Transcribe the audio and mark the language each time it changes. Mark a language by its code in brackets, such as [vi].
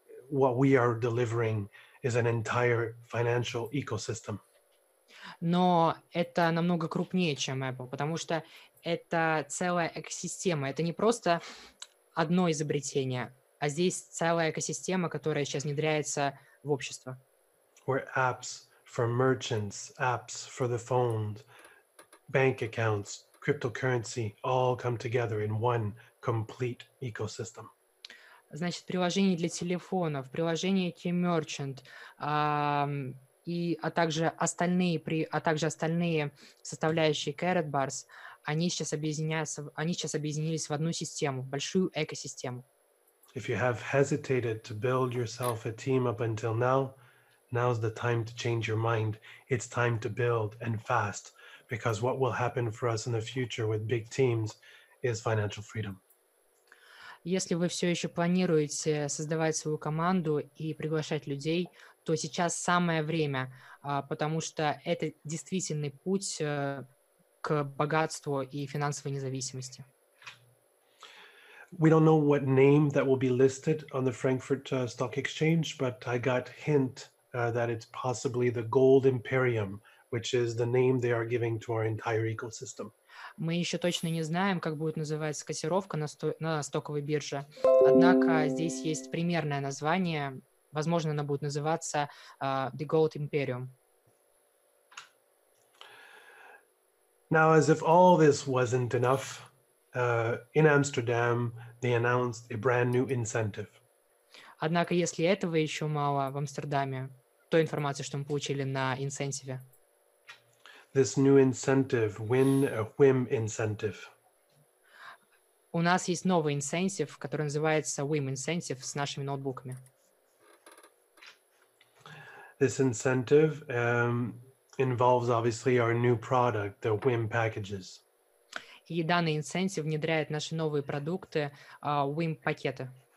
[en] What we are delivering is an entire financial ecosystem. [ru] Но это намного крупнее, чем Apple, потому что это целая экосистема. Это не просто одно изобретение, а здесь целая экосистема, которая сейчас внедряется в общество. [en] Where apps for merchants, apps for the phones, bank accounts, cryptocurrency all come together in one complete ecosystem. [ru] Значит, приложения для телефонов, приложения K-Merchant, а также остальные составляющие Carrot Bars, они сейчас объединились в одну систему, большую экосистему. [en] If you have hesitated to build yourself a team up until now, now's the time to change your mind. It's time to build and fast, because what will happen for us in the future with big teams is financial freedom. [ru] Если вы все еще планируете создавать свою команду и приглашать людей, то сейчас самое время, потому что это действительный путь к богатству и финансовой независимости. [en] We don't know what name that will be listed on the Frankfurt Stock Exchange, but I got hint that it's possibly the Gold Imperium, which is the name they are giving to our entire ecosystem. [ru] Мы еще точно не знаем, как будет называться котировка на стоковой бирже. Однако здесь есть примерное название. Возможно, она будет называться The Gold Imperium. [en] Now, as if all this wasn't enough, in Amsterdam, they announced a brand new incentive. [ru] Однако, если этого еще мало в Амстердаме, той информации, что мы получили на инсентиве. [en] This new incentive, win a whim incentive. [ru] У нас есть новый инсентив, который называется whim incentive с нашими ноутбуками. [en] This incentive involves obviously our new product, the whim packages. [ru] И данный инсентив внедряет наши новые продукты, whim пакеты.